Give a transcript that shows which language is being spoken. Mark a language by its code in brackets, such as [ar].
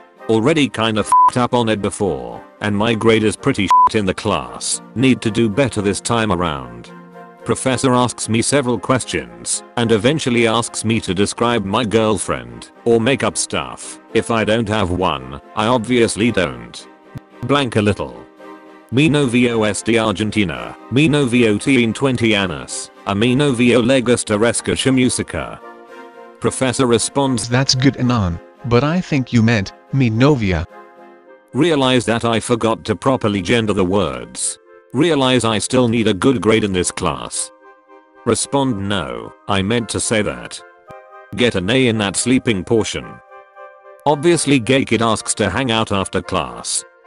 [en] Already kinda f***ed up on it before, and my grade is pretty s***t in the class, need to do better this time around. Professor asks me several questions, and eventually asks me to describe my girlfriend, or make up stuff. If I don't have one, I obviously don't. Blank a little. [es] Mi novio es de Argentina, mi novio tiene 20 años, a mi novio le gusta escuchar música. [en] Professor responds, that's good enough, but I think you meant, [es] mi novia. [en] Realize that I forgot to properly gender the words. Realize I still need a good grade in this class. Respond, no, I meant to say that. Get an A in that sleeping portion. Obviously gay kid asks to hang out after class.